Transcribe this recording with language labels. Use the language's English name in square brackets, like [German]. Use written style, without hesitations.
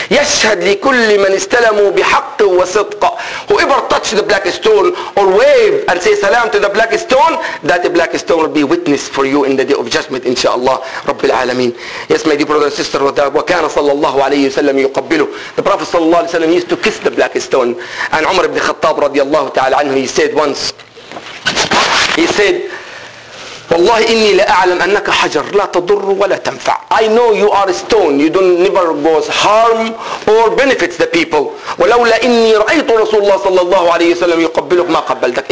[Arabic] يشهد لكل من استلموا بحق وصدق. [English] Whoever touched the black stone or wave and say salam to the black stone, that black stone will be witness for you in the day of judgment, inshallah, Rabbil Alameen. Yes, my dear brother and sister, [Arabic] وكان صلى الله عليه وسلم يقبله. [English] The Prophet صلى الله عليه وسلم used to kiss the black stone. And Umar ibn Khattab رضي الله تعالى عنه, he said once, he said, [Arabic] والله إني لا أعلم أنك حجر لا تضر ولا تنفع. [English] I know you are a stone. You don't never cause harm or benefits the people. [Arabic] ولولا إني رأيت رسول الله صلى الله عليه وسلم يقبلك ما قبلتك.